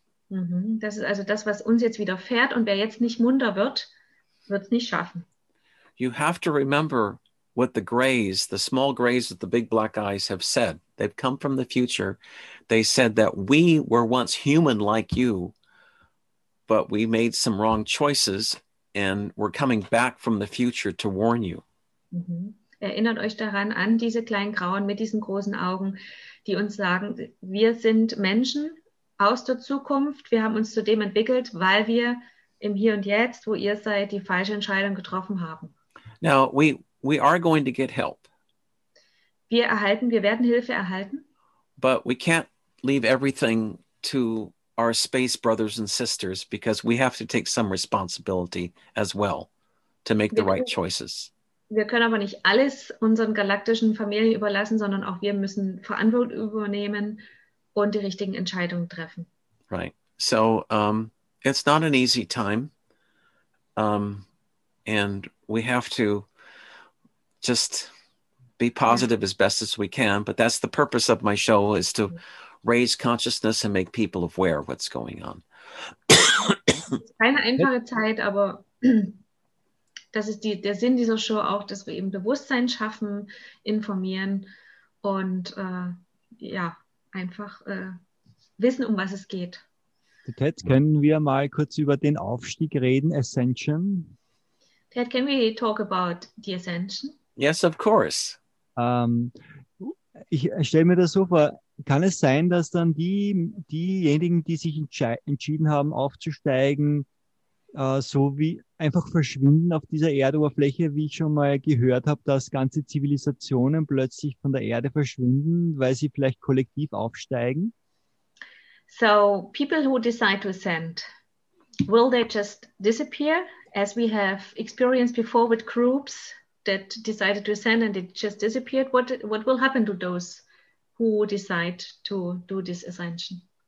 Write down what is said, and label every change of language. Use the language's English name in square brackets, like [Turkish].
[German] Mm-hmm. Das ist also das, was uns jetzt widerfährt. Und wer jetzt nicht munter wird, wird es nicht schaffen. [English] You have to remember what the grays, the small grays with the big black eyes have said. They've come from the future. They said that we were once human like you, but we made some wrong choices and we're coming back from the future to warn you. Mm-hmm. [German] Erinnert euch daran an diese kleinen Grauen mit diesen großen Augen, die uns sagen, wir sind Menschen aus der Zukunft. Wir haben uns zu dem entwickelt, weil wir im Hier und Jetzt, wo ihr seid, die falsche Entscheidung getroffen haben. [English] Now, we are going to get help. [German] Wir werden Hilfe erhalten. [English] But we can't leave everything to our space brothers and sisters, because we have to take some responsibility as well to make the right choices. [German] Wir können aber nicht alles unseren galaktischen Familien überlassen, sondern auch wir müssen Verantwortung übernehmen und die richtigen Entscheidungen treffen. [English] Right. So, it's not an easy time. And we have to just be positive as best as we can. But that's the purpose of my show, is to raise consciousness and make people aware of what's going on. [German] Es ist keine einfache Zeit, aber... Das ist der Sinn dieser Show auch, dass wir eben Bewusstsein schaffen, informieren und wissen, um was es geht. Ted, können wir mal kurz über den Aufstieg reden, Ascension? [English] Ted, can we talk about the Ascension? Yes, of course. [German] Ich stelle mir das so vor, kann es sein, dass dann diejenigen, die sich entschieden haben, aufzusteigen, so wie einfach verschwinden auf dieser Erdoberfläche, wie ich schon mal gehört habe, dass ganze Zivilisationen plötzlich von der Erde verschwinden, weil sie vielleicht kollektiv aufsteigen? [English] So, people who decide to ascend, will they just disappear, as we have experienced before with groups that decided to ascend and it just disappeared? What will happen to those who decide to do this ascension?